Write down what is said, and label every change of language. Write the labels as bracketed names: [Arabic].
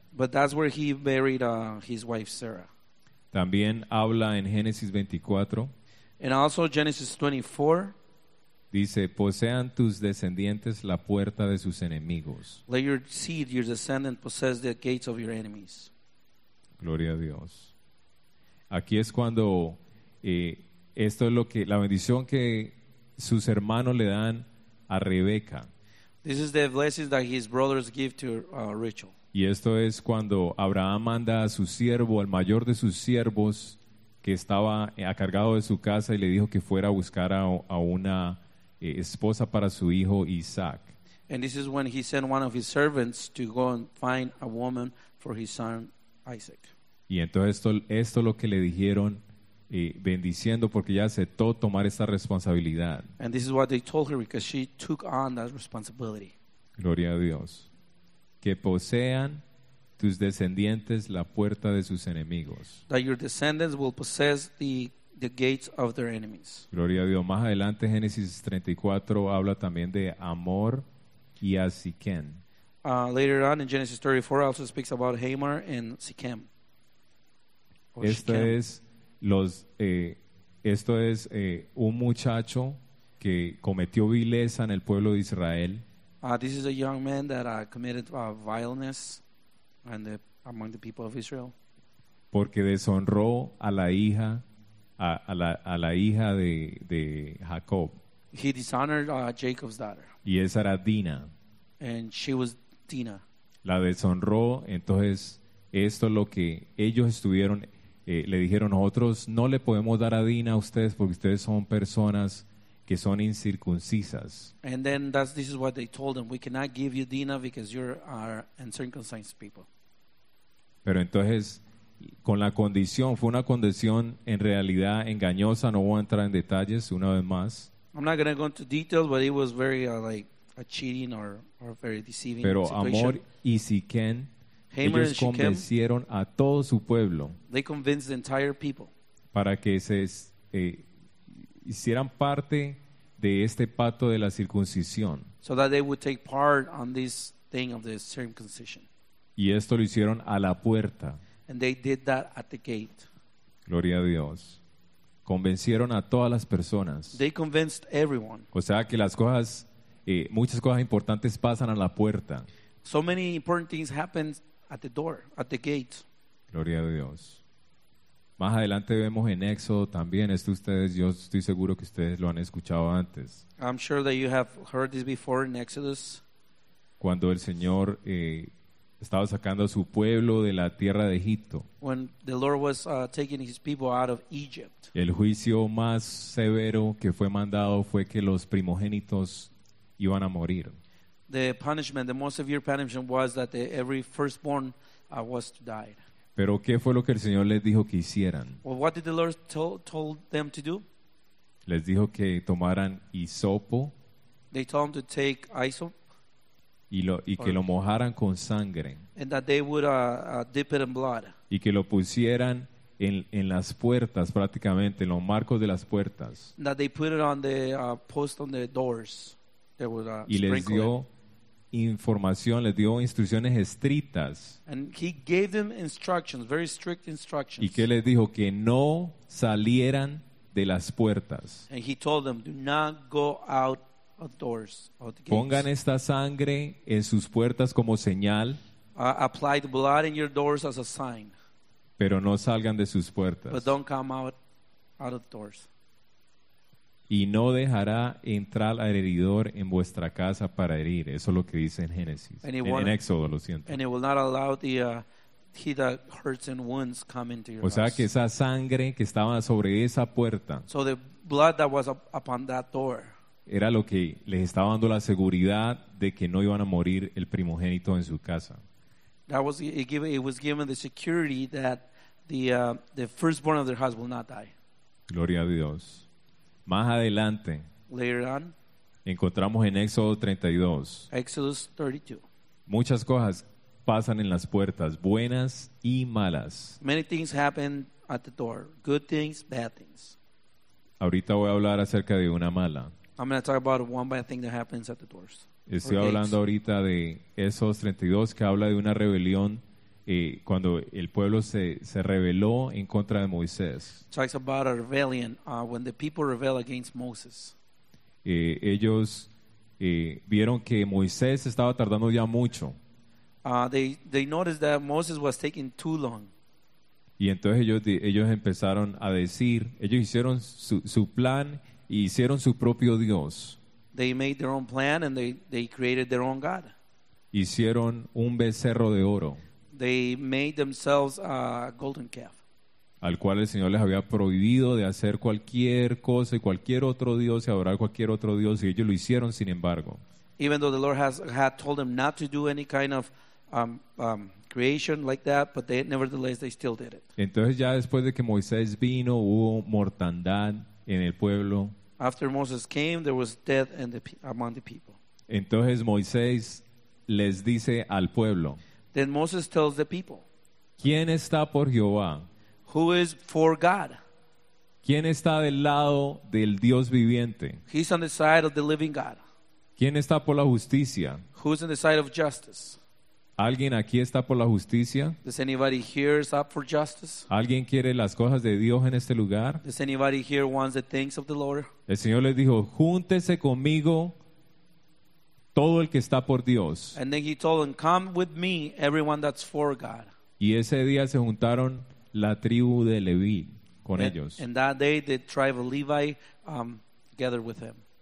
[English] But that's where he buried his wife Sarah. [Spanish] También habla en Génesis 24. [English] And also Genesis 24. [Spanish] Dice, posean tus descendientes la puerta de sus enemigos. [English] Let your seed, your descendant, possess the gates of your enemies. [Spanish] Gloria a Dios. Aquí es cuando esto es lo que la bendición que sus hermanos le dan a Rebeca. [English] This is the blessing that his brothers give to Rachel. [Spanish] Y esto es cuando Abraham manda a su siervo, al mayor de sus siervos, que estaba a cargado de su casa, y le dijo que fuera a buscar a una esposa para su hijo Isaac. [English] And this is when he sent one of his servants to go and find a woman for his son Isaac. [Spanish] Y entonces esto es lo que le dijeron, bendiciendo, porque ella aceptó tomar esta responsabilidad. [English] And this is what they told her, because she took on that responsibility. [Spanish] Gloria a Dios. Que posean tus descendientes la puerta de sus enemigos. [English] That your descendants will possess the gates of their enemies. [Spanish] Gloria a Dios. Más adelante, Génesis 34 habla también de Amor y a Siquem. [English] Later on in Genesis 34 also speaks about Hamor and Siquem. [Spanish] Un muchacho que cometió vileza en el pueblo de Israel. [English] This is a young man that committed vileness among the people of Israel. [Spanish] Porque deshonró a la hija de Jacob. [English] He dishonored Jacob's daughter. [Spanish] Y esa era Dina. [English] And she was Dina. [Spanish] La deshonró. Entonces esto es lo que ellos estuvieron. Le dijeron, nosotros no le podemos dar a Dina a ustedes porque ustedes son personas que son incircuncisas. [English] And then this is what they told them. We cannot give you Dina because you are uncircumcised people. [Spanish] Pero entonces, con la condición, fue una condición en realidad engañosa. No voy a entrar en detalles una vez más. [English] I'm not going to go into details, but it was very a cheating or very deceiving [Spanish] Pero [English] situation. [Spanish] Amor y Siquem, ellos convencieron a todo su pueblo. [English] They convinced the entire people. [Spanish] Para que se hicieran parte de este pacto de la circuncisión. [English] So that they would take part on this thing of the circumcision. [Spanish] Y esto lo hicieron a la puerta. [English] And they did that at the gate. [Spanish] Gloria a Dios. Convencieron a todas las personas. [English] They convinced everyone. [Spanish] O sea que las cosas, muchas cosas importantes pasan a la puerta. [English] So many important things happen at the door, at the gate. [Spanish] Gloria a Dios. Más adelante vemos en Éxodo también. Esto ustedes, yo estoy seguro que ustedes lo han escuchado antes. [English] I'm sure that you have heard this before in Exodus. [Spanish] Cuando el Señor estaba sacando a su pueblo de la tierra de Egipto. [English] When the Lord was taking his people out of Egypt. [Spanish] El juicio más severo que fue mandado fue que los primogénitos iban a morir. [English] The punishment, the most severe punishment was that every firstborn was to die. [Spanish] Pero ¿qué fue lo que el Señor les dijo que hicieran? [English] Well, what did the Lord told them to do? [Spanish] Les dijo que tomaran hisopo. [English] They told them to take hisop. [Spanish] Que lo mojaran con sangre. [English] And that they would dip it in blood. [Spanish] Y que lo pusieran en las puertas, prácticamente, en los marcos de las puertas. [English] That they put it on the post on the doors. They would, [Spanish] y les dio información, les dio instrucciones estrictas. [English] And he gave them instructions, very strict instructions. [Spanish] ¿Y qué les dijo? Que no salieran de las puertas. [English] And he told them, do not go out of doors, out the gates. [Spanish] Pongan esta sangre en sus puertas como señal. [English] Apply the blood in your doors as a sign. [Spanish] Pero no salgan de sus puertas. [English] But don't come out of doors. [Spanish] Y no dejará entrar al heridor en vuestra casa para herir. Eso es lo que dice en Génesis. En Éxodo, lo siento. [English] And it will not allow the he that hurts and wounds come into your house. [Spanish] O sea, que esa sangre que estaba sobre esa puerta. [English] So the blood that was upon that door. [Spanish] Era lo que les estaba dando la seguridad de que no iban a morir el primogénito en su casa. [English] It was given the security that the firstborn of their house will not die. [Spanish] Gloria a Dios. Más adelante, [English] later on, [Spanish] encontramos en Éxodo 32. [English] Exodus 32. [Spanish] Muchas cosas pasan en las puertas, buenas y malas. [English] Many things happen at the door. Good things, bad things. [Spanish] Ahorita voy a hablar acerca de una mala. [English] I'm going to talk about one bad thing that happens at the doors. [Spanish] Estoy hablando ahorita de Éxodo 32, que habla de una rebelión cuando el pueblo se rebeló en contra de Moisés. [English] Talks about a rebellion when the people rebel against Moses. [Spanish] Ellos vieron que Moisés estaba tardando ya mucho. [English] They noticed that Moses was taking too long. [Spanish] Y entonces ellos empezaron a decir, ellos hicieron su plan y hicieron su propio Dios. [English] They made their own plan and they created their own God. [Spanish] Hicieron un becerro de oro. [English] They made themselves a golden calf. [Spanish] Al cual el Señor les había prohibido de hacer cualquier cosa y cualquier otro dios y adorar cualquier otro dios y ellos lo hicieron sin embargo. [English] Even though the Lord had told them not to do any kind of creation like that, but nevertheless they still did it. [Spanish] Entonces ya después de que Moisés vino hubo mortandad en el pueblo. [English] After Moses came there was death among the people. [Spanish] Entonces Moisés les dice al pueblo. [English] Then Moses tells the people. [Spanish] ¿Quién está por Jehová? [English] Who is for God? [Spanish] ¿Quién está del lado del Dios viviente? [English] He's on the side of the living God. [Spanish] ¿Quién está por la justicia? [English] Who's on the side of justice? [Spanish] ¿Alguien aquí está por la justicia? [English] Does anybody here is up for justice? [Spanish] ¿Alguien quiere las cosas de Dios en este lugar? [English] Does anybody here wants the things of the Lord? [Spanish] El Señor les dijo, júntese conmigo todo el que está por Dios. [English] And then he told them, come with me, everyone that's for God. [Spanish] Y ese día se juntaron la tribu de Leví con [English] and, [Spanish] ellos. [English] And that day the tribe of Levi together with him.